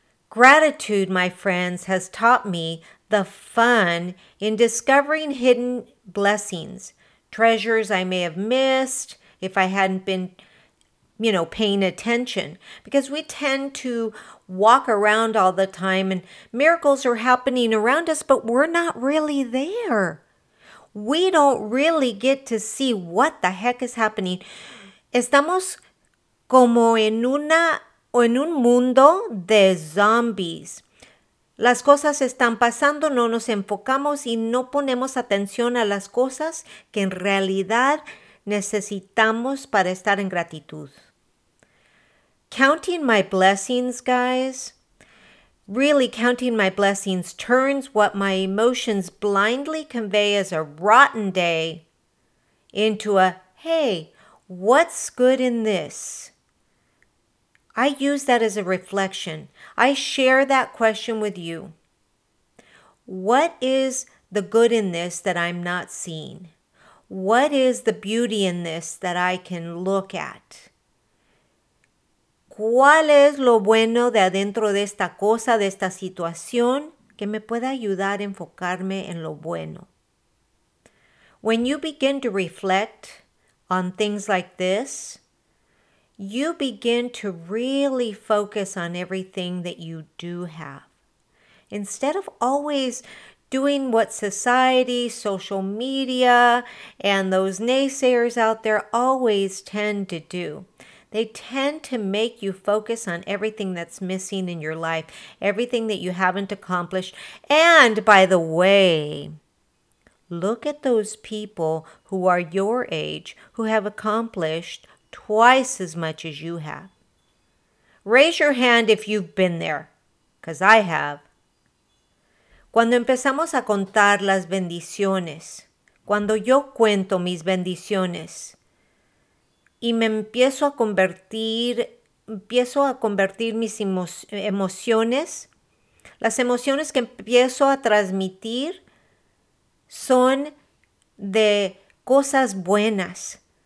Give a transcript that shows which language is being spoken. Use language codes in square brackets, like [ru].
[en] Gratitude, my friends, has taught me the fun in discovering hidden blessings, treasures I may have missed if I hadn't been, you know, paying attention. Because we tend to walk around all the time and miracles are happening around us, but we're not really there. We don't really get to see what the heck is happening. [es] Estamos como en una o en un mundo de zombies. Las cosas están pasando, no nos enfocamos y no ponemos atención a las cosas que en realidad necesitamos para estar en gratitud. [en] Counting my blessings, guys, really counting my blessings turns what my emotions blindly convey as a rotten day into a, hey, what's good in this? I use that as a reflection. I share that question with you. What is the good in this that I'm not seeing? What is the beauty in this that I can look at? [es] ¿Cuál es lo bueno de adentro de esta cosa, de esta situación, que me pueda ayudar a enfocarme en lo bueno? [en] When you begin to reflect on things like this, you begin to really focus on everything that you do have. Instead of always doing what society, social media, and those naysayers out there always tend to do, they tend to make you focus on everything that's missing in your life, everything that you haven't accomplished. And by the way, look at those people who are your age, who have accomplished twice as much as you have. Raise your hand if you've been there, because I have. [es] Cuando empezamos a contar las bendiciones, cuando yo cuento mis bendiciones y me empiezo a convertir mis emociones, las emociones que empiezo a transmitir son de cosas buenas.